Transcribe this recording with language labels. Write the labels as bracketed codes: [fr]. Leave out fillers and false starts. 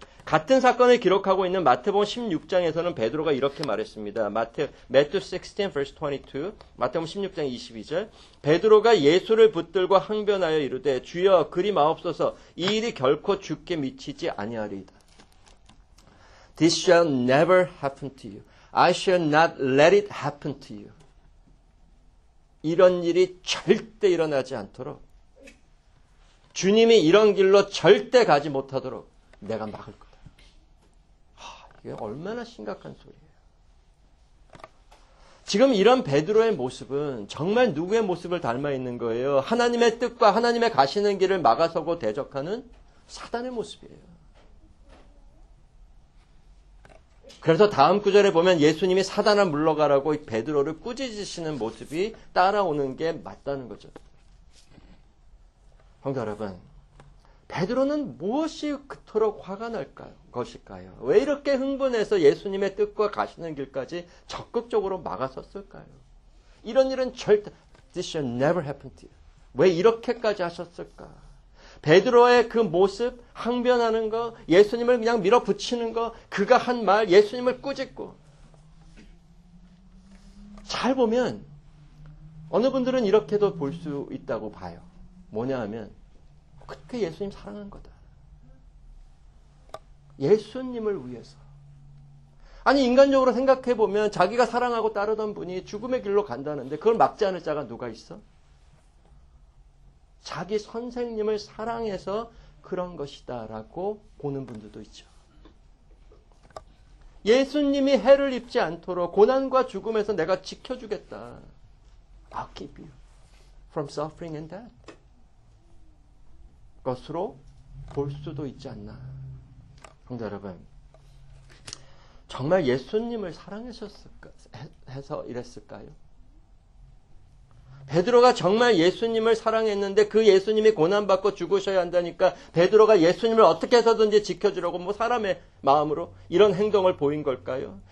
[ko] 같은 사건을 기록하고 있는 마태복음 16장에서는 베드로가 이렇게 말했습니다. [en] Matthew 16, verse 22. [ko] 마태복음 16장 22절. 베드로가 예수를 붙들고 항변하여 이르되 주여 그리 마옵소서 이 일이 결코 죽게 미치지 아니하리이다. [en] This shall never happen to you. I shall not let it happen to you. [ko] 이런 일이 절대 일어나지 않도록 주님이 이런 길로 절대 가지 못하도록 내가 막을 거다. 이게 얼마나 심각한 소리예요. 지금 이런 베드로의 모습은 정말 누구의 모습을 닮아 있는 거예요? 하나님의 뜻과 하나님의 가시는 길을 막아서고 대적하는 사단의 모습이에요. 그래서 다음 구절에 보면 예수님이 사단아 물러가라고 베드로를 꾸짖으시는 모습이 따라오는 게 맞다는 거죠. 형제 여러분, 베드로는 무엇이 그토록 화가 날까요? 것일까요? 왜 이렇게 흥분해서 예수님의 뜻과 가시는 길까지 적극적으로 막아섰을까요? 이런 일은 절대 [en] This should never happen to you. [ko] 왜 이렇게까지 하셨을까? 베드로의 그 모습, 항변하는 거, 예수님을 그냥 밀어붙이는 거, 그가 한 말, 예수님을 꾸짖고. 잘 보면 어느 분들은 이렇게도 볼 수 있다고 봐요. 뭐냐 하면 그렇게 예수님 사랑한 거다. 예수님을 위해서. 아니 인간적으로 생각해보면 자기가 사랑하고 따르던 분이 죽음의 길로 간다는데 그걸 막지 않을 자가 누가 있어? 자기 선생님을 사랑해서 그런 것이다 라고 보는 분들도 있죠. 예수님이 해를 입지 않도록 고난과 죽음에서 내가 지켜주겠다. [en] I'll keep you from suffering and death. [ko] 것으로 볼 수도 있지 않나. 형제 여러분, 정말 예수님을 사랑했었을까, 해서 이랬을까요? 베드로가 정말 예수님을 사랑했는데 그 예수님이 고난받고 죽으셔야 한다니까 베드로가 예수님을 어떻게 해서든지 지켜주려고 뭐 사람의 마음으로 이런 행동을 보인 걸까요?